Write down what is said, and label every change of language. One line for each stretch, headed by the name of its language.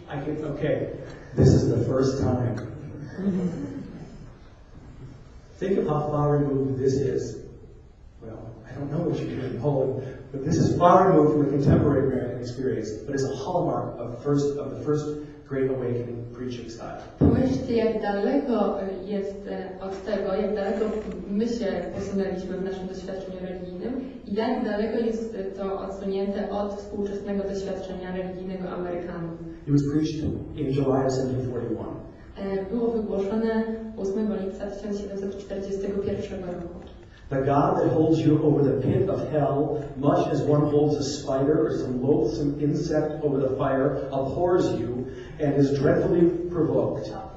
English: I can, okay. This is the first time. Think of how far removed this is. Well, I don't know what you do in Poland, but this is far removed from the contemporary American experience, but it's a hallmark of the first Great Awakening preaching style.
Polish: Pomyślcie, jak daleko jest od tego, jak daleko my się posunęliśmy w naszym doświadczeniu religijnym i jak daleko jest to odsunięte od współczesnego doświadczenia religijnego Amerykanów.
English: It was preached in July of 1741.
Polish: Było wygłoszone 8 lipca 1741 roku.
English: The God that holds you over the pit of hell, much as one holds a spider or some loathsome insect over the fire, abhors you and is dreadfully provoked.